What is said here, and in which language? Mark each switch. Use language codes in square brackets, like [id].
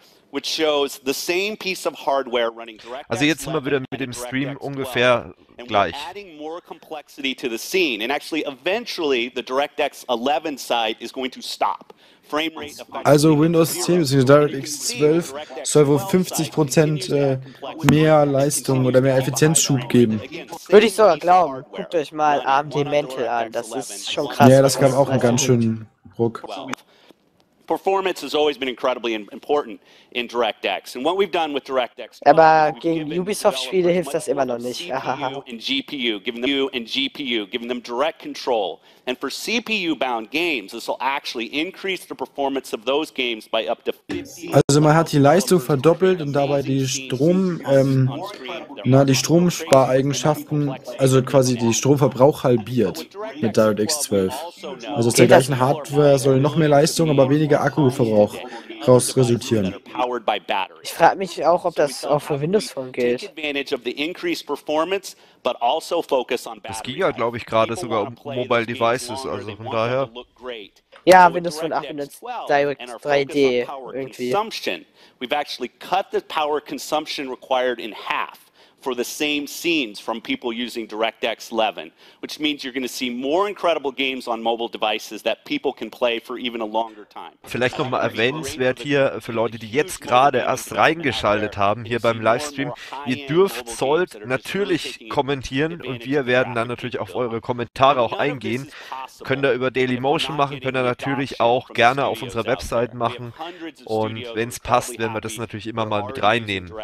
[en] Which shows the same piece of hardware running direct. [de] Also jetzt sind wir wieder mit dem Stream ungefähr gleich. [en] Adding more complexity to the scene and actually eventually the DirectX 11 side is going to stop. [de] Also Windows 10 bzw. DirectX 12 soll wohl 50% mehr Leistung oder mehr Effizienzschub geben. Würde ich sogar glauben. Guckt euch mal AMD Mantle an, das ist schon krass. Ja, das gab auch einen ganz schönen Ruck. [en] Performance has always been incredibly important in DirectX. And what we've done with DirectX. [de] Aber gegen Ubisoft-Spiele hilft das immer noch nicht. [en] Giving them direct control. And for CPU-bound games, this will actually increase the performance of those games by up to 50%. [de] Also man hat die Leistung verdoppelt und dabei die Strom, die Stromspareigenschaften, also quasi die Stromverbrauch halbiert mit DirectX 12. Also aus der gleichen Hardware soll noch mehr Leistung, aber weniger Akkuverbrauch raus resultieren. Ich frage mich auch, ob das auch für Windows Phone gilt. Das ging ja, glaube ich, gerade sogar um Mobile Devices, also von daher. Ja, Windows Phone 8 benutzt Direct 3D irgendwie. [en] We've actually cut the power consumption required in half for the same scenes from people using DirectX 11, which means you're going to see more incredible games on mobile devices that people can play for even a longer time. [de] Vielleicht noch mal erwähnenswert hier für Leute, die jetzt gerade erst reingeschaltet haben hier beim Livestream. Ihr dürft, sollt natürlich kommentieren und wir werden dann natürlich auf eure Kommentare auch eingehen. Könnt ihr über Dailymotion machen, könnt ihr natürlich auch gerne auf unserer Website machen und wenn es passt, werden wir das natürlich immer mal mit reinnehmen.